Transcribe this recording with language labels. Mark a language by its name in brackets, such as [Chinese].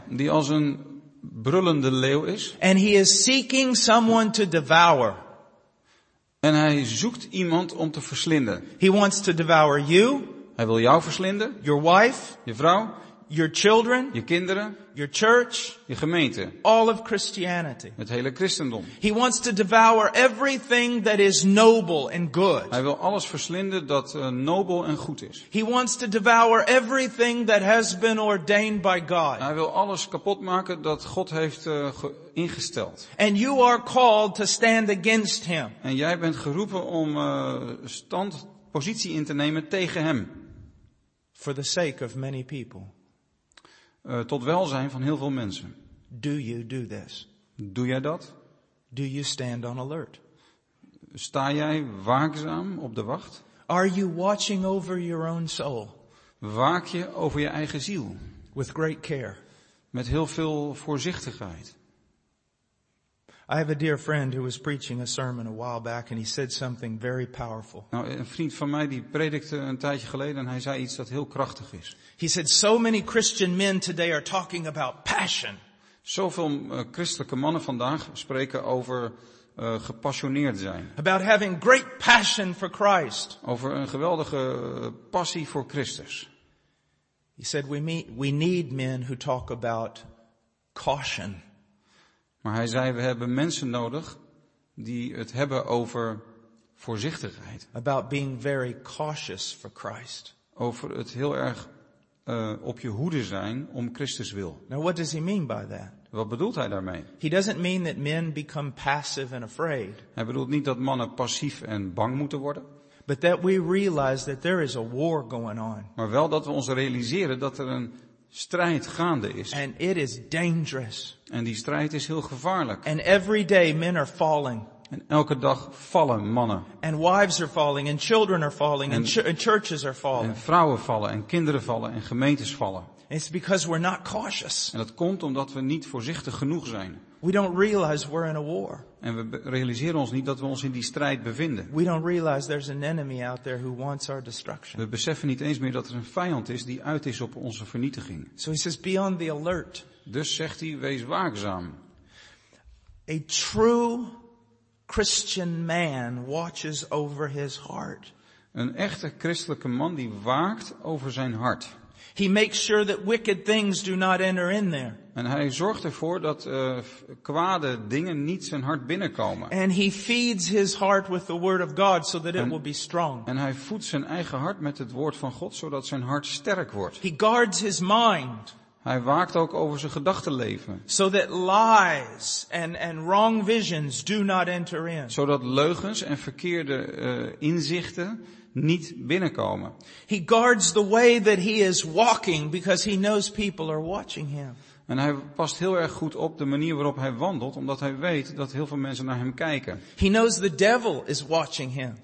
[Dutch] Die als een brullende leeuw is. [English] And he is seeking someone to devour. [Dutch] En hij zoekt iemand om te verslinden. [English] He wants to devour you. [Dutch] Hij wil jou verslinden. [English] Your wife. [Dutch] Je vrouw. [English] Your children. [Dutch] Je kinderen. [English] Your church. [Dutch] Je gemeente. [English] All of Christianity. [Dutch] Het hele christendom. [English] He wants to devour everything that is noble and good. [Dutch] Hij wil alles verslinden dat nobel en goed is. [English] He wants to devour everything that has been ordained by God. [Dutch] Hij wil alles kapot maken dat God heeft ingesteld. [English] And you are called to stand against him. [Dutch] En jij bent geroepen om stand, positie in te nemen tegen hem. [English] For the sake of many people. [Dutch] Tot welzijn van heel veel mensen. [English] Do you do this? [Dutch] Doe jij dat? [English] Do you stand on alert? [Dutch] Sta jij waakzaam op de wacht? [English] Are you watching over your own soul? [Dutch] Waak je over je eigen ziel? [English] With great care. [Dutch] Met heel veel voorzichtigheid. [English] I have a dear friend who was preaching a sermon a while back and he said something very powerful. [Dutch] Nou, een vriend van mij die predikte een tijdje geleden en hij zei iets dat heel krachtig is. [English] He said, so many Christian men today are talking about passion. [Dutch] Zoveel christelijke mannen vandaag spreken over gepassioneerd zijn. [English] About having great passion for Christ. [Dutch] Over een geweldige passie voor Christus. [English] He said, we need men who talk about caution. [Dutch] Maar hij zei, we hebben mensen nodig die het hebben over voorzichtigheid. [English] About being very cautious for Christ. [Dutch] Over het heel erg op je hoede zijn om Christus wil. [English] Now what does he mean by that? [Dutch] Wat bedoelt hij daarmee? [English] He doesn't mean that men become passive and afraid. [Dutch] Hij bedoelt niet dat mannen passief en bang moeten worden. [English] But that we realize that there is a war going on. [Dutch] Maar wel dat we ons realiseren dat er een strijd gaande is. [English] And it is dangerous. [Dutch] En die strijd is heel gevaarlijk. [English] And every day men are falling. [Dutch] En elke dag vallen mannen. [English] And wives are falling and children are falling and churches are falling. [Dutch] En vrouwen vallen en kinderen vallen en gemeentes vallen. [English] It's because we're not cautious. [Dutch] En dat komt omdat we niet voorzichtig genoeg zijn. [English] We don't realize we're in a war. [Dutch] En we realiseren ons niet dat we ons in die strijd bevinden. [English] We don't realize there's an enemy out there who wants our destruction. [Dutch] We beseffen niet eens meer dat er een vijand is die uit is op onze vernietiging. [English] So he says, be on the alert. [Dutch] Dus zegt hij, wees waakzaam. [English] A true Christian man watches over his heart. [Dutch] Een echte christelijke man die waakt over zijn hart. [English] He makes sure that wicked things do not enter in there. [Dutch] En hij zorgt ervoor dat kwade dingen niet zijn hart binnenkomen. [English] And he feeds his heart with the word of God so that it will be strong. [Dutch] En hij voedt zijn eigen hart met het woord van God zodat zijn hart sterk wordt. [English] He guards his mind. [Dutch] Hij waakt ook over zijn gedachtenleven. [English] So that lies and wrong visions do not enter in. [Dutch] Zodat leugens en verkeerde inzichten niet binnenkomen. [English] He guards the way that he is walking because he knows people are watching him. [Dutch] En hij past heel erg goed op de manier waarop hij wandelt, omdat hij weet dat heel veel mensen naar hem kijken. [English] He knows the devil is watching him.